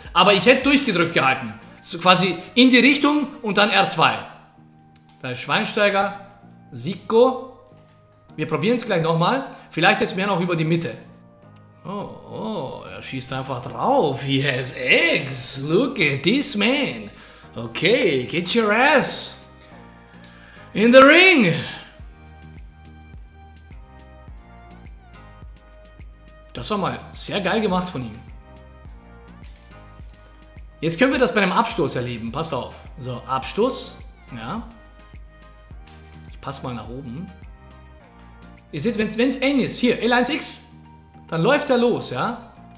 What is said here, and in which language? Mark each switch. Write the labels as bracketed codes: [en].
[de] Aber ich hätte durchgedrückt gehalten. So, quasi in die Richtung und dann R2. Da ist Schweinsteiger, Sikko. Wir probieren es gleich nochmal. Vielleicht jetzt mehr noch über die Mitte. Oh, er schießt einfach drauf. [en] He has eggs. Look at this man. Okay, get your ass in the ring. [de] Das war mal sehr geil gemacht von ihm. Jetzt können wir das bei einem Abstoß erleben. Passt auf. So, Abstoß. Ja. Ich passe mal nach oben. Ihr seht, wenn es eng ist, hier, L1X, dann läuft er los, ja.